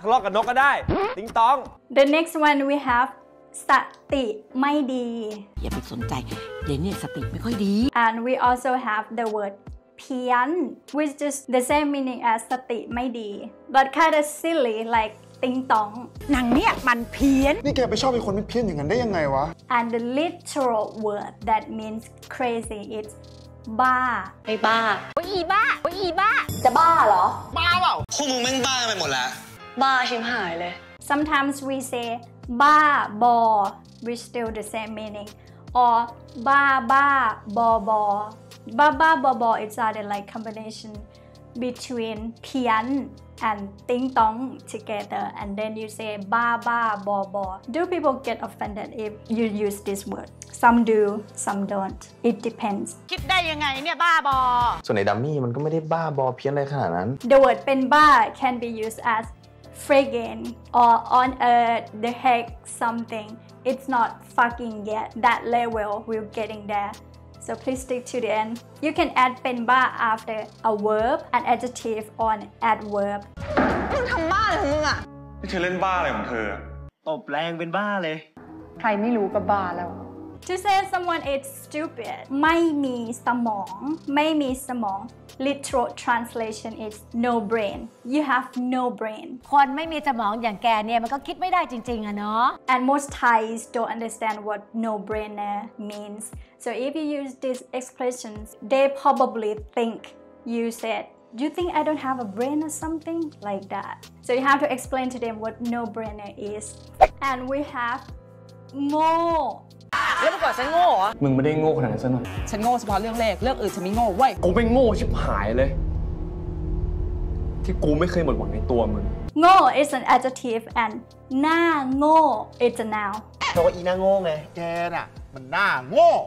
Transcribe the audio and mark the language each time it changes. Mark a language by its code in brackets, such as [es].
[th] ทะเลาะกับนกก็ได้ ting tong. [en] The next one we have [th] สติไม่ดี อย่าไปสนใจ เดี๋ยวนี้สติไม่ค่อยดี [en] And we also have the word pian, which is the same meaning as [th] สติไม่ดี [en] But kind of silly, likeติงตอง [th] หนังเนี่ยมันเพี้ยน นี่แกไปชอบเป็นคนเพี้ยนอย่างนั้นได้ยังไงวะ [en] and the literal word that means crazy is บ้า [th] ไอ้บ้า โอ้ยอีบ้าโอ้ยอีบ้า จะบ้าเหรอ บ้าเปล่า คู่มึงแม่งบ้าไปหมดแล้ว บ้าชิบหายเลย [en] sometimes we say บ้าบอ which still the same meaning or [th] บ้าบ้าบอบอบ้าบ้าบอบอ [en] it's either like combinationbetween pian and ting tong together and then you say ba ba bo bo do people get offended if you use this word some do some don't it depends [th] คิดได้ยังไงเนี่ยบ้าบอ ส่วนไอ้ดัมมี่มันก็ไม่ได้บ้าบอเพี้ยนอะไรขนาดนั้น [en] the word เป็นบ้า can be used as friggin or on earth the heck something it's not fucking yet that level we're getting thereSo please stick to the end. You can add เป็นบ้า after a verb, an adjective, or an adverb. [th] มึงทำบ้าเหรอมึงอ่ะ นี่เธอเล่นบ้าอะไรของเธอ ตบแรงเป็นบ้าเลย ใครไม่รู้ก็บ้าแล้ว [en] To say someone is stupid, [th] ไม่มีสมองไม่มีสมอง [en] literal translation is no brain. You have no brain. [th] คนไม่มีสมองอย่างแกเนี่ยมันก็คิดไม่ได้จริงๆอ่ะเนาะ [en] And most Thais don't understand what no brainer means. So if you use these expressions, they probably think you said, do you think I don't have a brain or something like that? So you have to explain to them what no brainer is. And we have โง่ [th] แล้วเมื่อก่อนฉันโง่เหรอ มึงไม่ได้โง่ขนาดนั้นซะหน่อย ฉันโง่เฉพาะเรื่องแรกเรื่องอื่นฉันไม่โง่เว้ย กูไม่โง่ชิบหายเลยที่กูไม่เคยหมดหวังในตัวมึง [en] โง่ is an adjective and หน้าโง่ is a noun [th] เพราะว่าอีหน้าโง่ไงแกน่ะมันหน้าโง่